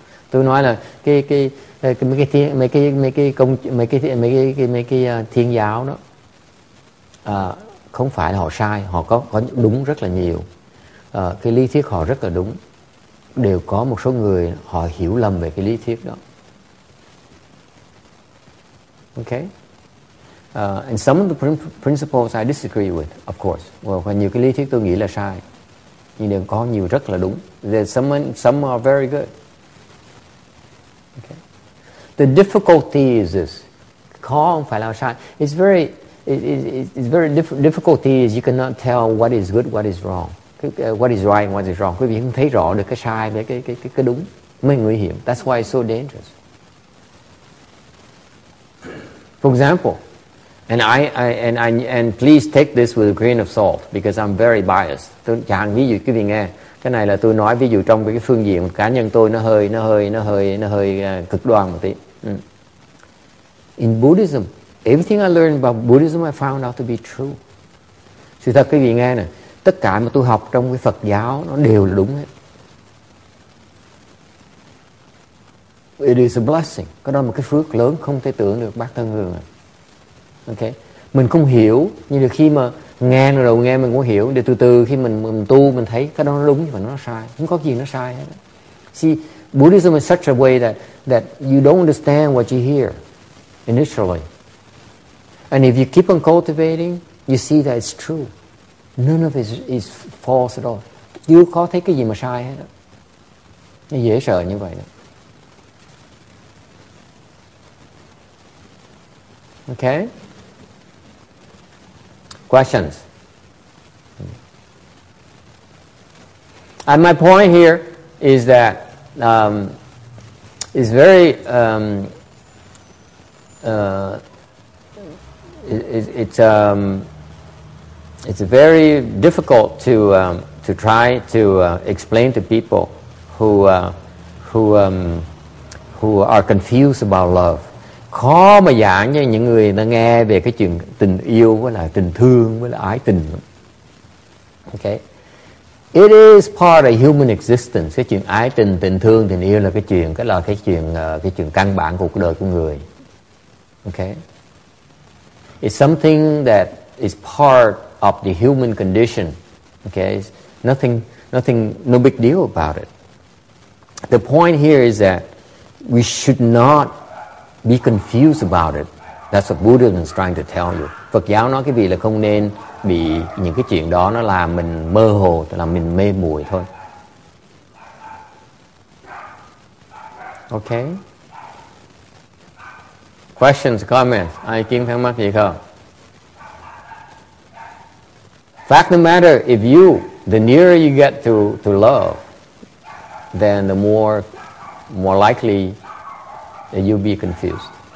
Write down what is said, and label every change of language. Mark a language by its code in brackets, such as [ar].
[vi] Tôi nói là cái thiên giáo đó không phải là họ sai, họ có đúng rất là nhiều. Cái lý thuyết họ rất là đúng. Đều có một số người họ hiểu lầm về cái lý thuyết đó. [en] Okay. And some of the principles I disagree with, of course. [vi] Well, nhiều cái lý thuyết tôi nghĩ là sai. Nhưng đều có nhiều rất là đúng. [en] Some are very good. Okay. The difficulty is this. [vi] Khó không phải là sai. [en] Difficulty is you cannot tell what is good, what is wrong. What is right, what is wrong. [vi] Quý vị không thấy rõ được cái sai với cái đúng. Mới nguy hiểm. [en] That's why it's so dangerous. For example, and please take this with a grain of salt, because I'm very biased. [vi] Tôi chẳng ví dụ quý vị nghe. Cái này là tôi nói ví dụ trong cái phương diện cá nhân tôi nó hơi cực đoan một tí. [en] In Buddhism, everything I learned about Buddhism I found out to be true. [vi] Sự thật quý vị nghe nè. Tất cả mà tôi học trong cái Phật giáo nó đều là đúng hết. [en] It is a blessing. [vi] Cái đó là một cái phước lớn không thể tưởng được bác thân Hương. Okay. Mình không hiểu, nhưng khi mà nghe rồi nghe mình cũng hiểu. Để từ từ khi mình tu mình thấy cái đó nó đúng và nó sai. Không có gì nó sai hết. [en] See, Buddhism is such a way that you don't understand what you hear initially. And if you keep on cultivating, you see that it's true. None of it is false at all. [vi] You có thấy cái gì mà sai hết. Nó dễ sợ như vậy đó. [en] Okay? Questions? And my point here is that it's very it's very difficult to try to explain to people who are confused about love. [vi] Khó mà giảng cho những người ta nghe về cái chuyện tình yêu với lại tình thương với lại ái tình. Okay. [en] It is part of human existence. [vi] Cái chuyện ái tình, tình thương, tình yêu là cái chuyện căn bản của cuộc đời của người. [en] Okay. It's something that is part of the human condition. Okay. It's nothing, no big deal about it. The point here is that we should not be confused about it. That's what Buddhism is trying to tell you. [vi] Phật giáo nói cái gì là không nên bị những cái chuyện đó nó làm mình mơ hồ, làm mình mê muội thôi. [en] Okay. Questions, comments, [vi] ai kiếm thắc mắc gì không? [en] Fact of the matter, if you, the nearer you get to love, then the more likely that you'll be confused.